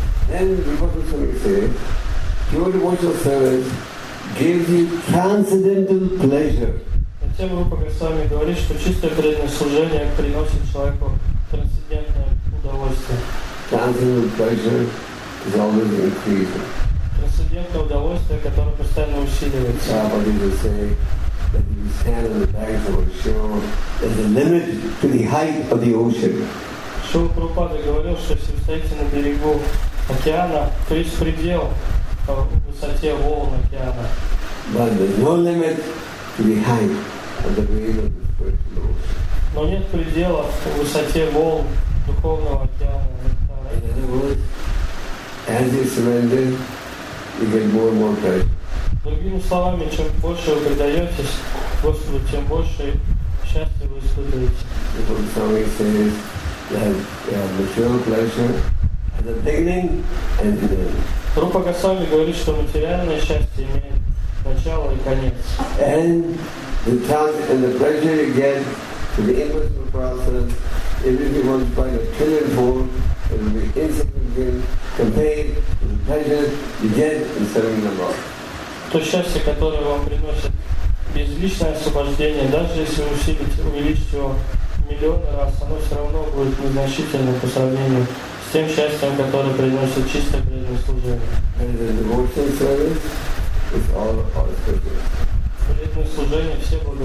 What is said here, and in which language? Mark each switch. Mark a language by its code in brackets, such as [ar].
[en] Then Rupa Goswami said, pure devotional service gives you transcendental pleasure. [ru] Затем Рупа Госвами говорит, что чистое преданное служение приносит человеку трансцендентное удовольствие. [en] Transcendental pleasure is always increasing. [ru] Трансцендентное удовольствие, которое постоянно усиливается. [en] Prabhupada used to say that if you stand on the banks of a shore, there's a limit to the height of the ocean. [ru] Шрила Прабхупада говорил, что если вы стоите на берегу океана, то есть предел в высоте волн океана. [en] But there's no limit to the height of the wave of the spiritual ocean. [ru] Но нет предела в высоте волн духовного океана. [en] In other words, as you surrender, you get more and more pleasure. [ru] Другими словами, чем больше вы предаетесь Господу, тем больше счастья вы испытываете. [en] Rupa Goswami says that material pleasure the beginning and the end. [ru] Рупа Госвами говорит, что материальное счастье имеет начало и конец. [en] And the time and the pleasure you get to the impersonal process, even if you want to find a trillion fold, it will be insignificant compared to the pleasure you get in serving the Lord. [ru] То счастье, которое вам приносит безличное освобождение, даже если вы увеличите его миллион раз, оно все равно будет незначительным по сравнению с тем счастьем, которое приносит чистое преданное служение. Преданное служение все